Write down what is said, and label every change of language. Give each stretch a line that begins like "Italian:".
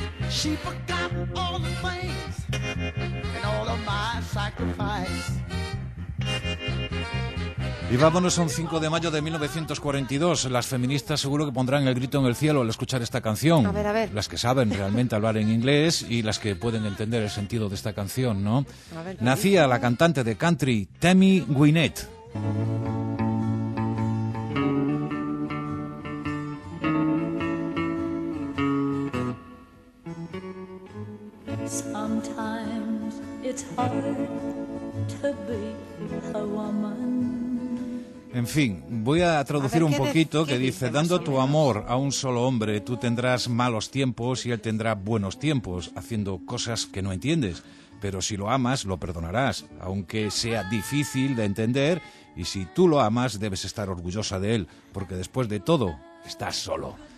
English: She forgot all the pains and all of my sacrifice.
Spanish: Y vámonos a un 5 de mayo de 1942. Las feministas seguro que pondrán el grito en el cielo al escuchar esta canción. A ver, a ver. Las que saben realmente hablar en inglés y las que pueden entender el sentido de esta canción, ¿no? Nacía la cantante de country Tammy Wynette.
English: Sometimes it's hard to be a woman.
Spanish: En fin, voy a traducir un poquito, que dice: dando tu amor a un solo hombre, tú tendrás malos tiempos y él tendrá buenos tiempos, haciendo cosas que no entiendes. Pero si lo amas, lo perdonarás, aunque sea difícil de entender. Y si tú lo amas, debes estar orgullosa de él, porque después de todo, estás solo.